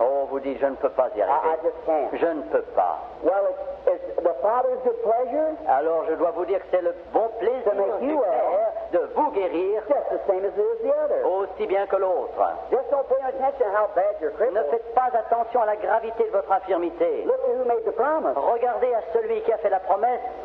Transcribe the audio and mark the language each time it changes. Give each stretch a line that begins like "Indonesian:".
French: Oh, vous dites, je ne peux pas y arriver.
English: I just can't.
French: Je ne peux pas.
English: Well, it's the Father's good pleasure.
French: Alors, je dois vous dire que c'est le bon plaisir
English: to make you well,
French: de vous guérir,
English: just the same as it is the other.
French: Aussi bien que l'autre.
English: Just don't pay attention how bad you're crippled.
French: Ne faites pas attention à la gravité de votre infirmité.
English: Look at who made the promise.
French: Regardez à celui qui a fait la promesse.